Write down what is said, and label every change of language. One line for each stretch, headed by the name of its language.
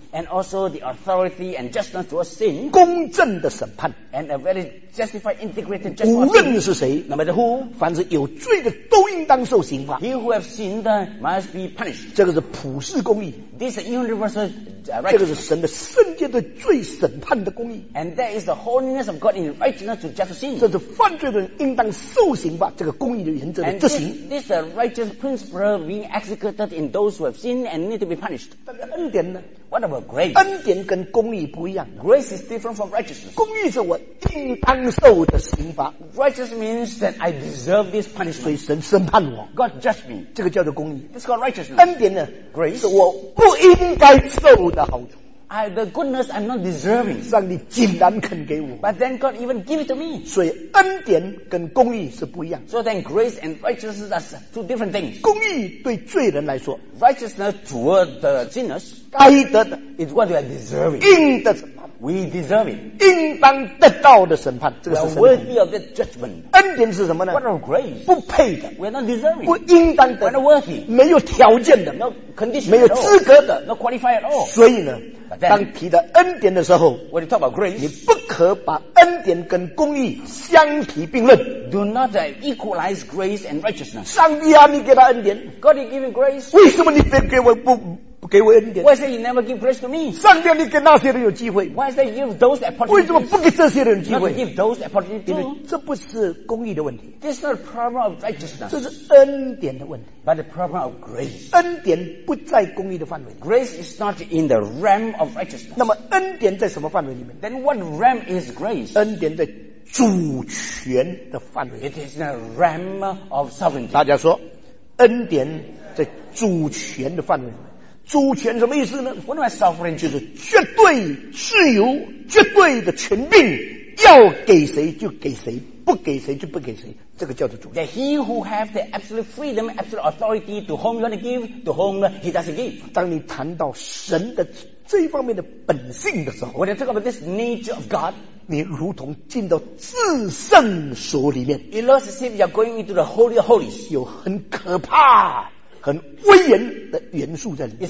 English: And also the authority and justice towards sin。
Chinese: 公正的审判。
English: And a very justified integrated justice。
Chinese: 无论是谁
English: ，No matter who，
Chinese: 凡是有罪的都应当受刑罚。
English: He who have sinned must be punished。
Chinese: 这个是普世公义。
English: This is universal righteousness。
Chinese: 这个是神的圣洁的罪审判的公义。
English: And that is the holiness of God in righteousness to justice sin。
Chinese: 这是犯罪的人应当受刑罚，这个公义的原则。
English: And this is a righteous principle being executed in those who have sinned and need to be punished.
Chinese: 恩典呢
English: ？What about grace?
Chinese: 恩典跟公义不一样。
English: Grace is different from righteousness.
Chinese: 公义是我应当受的刑罚。
English: Righteousness means that I deserve this punishment.
Chinese: 所以神审判我。
English: God judged me.
Chinese: 这个叫做公义。
English: This is called righteousness.
Chinese: 恩典呢
English: ？Grace
Chinese: 是我不应该受的好处。
English: The goodness I'm not deserving.
Chinese: 上帝竟然肯给我。
English: But then God even give it to me.
Chinese: 所以恩典跟公义是不一样。
English: So then grace and righteousness are two different things.
Chinese: 公义对罪人来说。
English: Righteousness toward the sinners.
Chinese: 该得的。
English: Is what we are deserving.
Chinese: 应得的。
English: We deserve it.
Chinese: 应当得到的审判。这个、
English: We are worthy of that judgment.
Chinese: 恩典是什么呢
English: ？What of grace?
Chinese: 不配的。
English: We are not deserving.
Chinese: 不应当的。
English: We are not worthy.
Chinese: 没有条件的。
English: No condition.
Chinese: 没有资格的。
English: No qualify at all.
Chinese: 所以呢？当提到恩典的时候
English: When you talk about grace,
Chinese: 你不可把恩典跟公义相提并论
English: Do not equalize grace and righteousness
Chinese: 上帝啊你给他恩典
English: God you give him grace
Chinese: 为什么你不给我不给我恩典。
English: Why say you never give grace to me?
Chinese: 上帝，你给那些人有机会。
English: Why say you give those opportunities?
Chinese: 为什么不给这些人机会
English: ？Give those opportunities.
Chinese: 因为这不是公义的问题。
English: This is not a problem of righteousness.
Chinese: 这是恩典的问题。
English: But the problem of grace.
Chinese: 恩典不在公义的范围。
English: Grace is not in the realm of righteousness.
Chinese: 那么恩典在什么范围里面
English: ？Then what realm is grace?
Chinese: 恩典在主权的范围。
English: It is in the realm of sovereignty.
Chinese: 大家说，恩典。在主权的范围，主权什么意思呢？我们 sovereign 就是绝对自由、绝对的权柄，要给谁就给谁，不给谁就不给谁，这个叫做主权。
English: That he who have the absolute freedom, absolute authority to whom you want to give, to whom he doesn't give.
Chinese: 当你谈到神的这一方面的本性的时候
English: ，When you talk about this nature of God。
Chinese: 你如同进到至圣所里面
English: ，It looks as if you're going into the holy of holies，
Chinese: 有很可怕、很威严的元素在里面。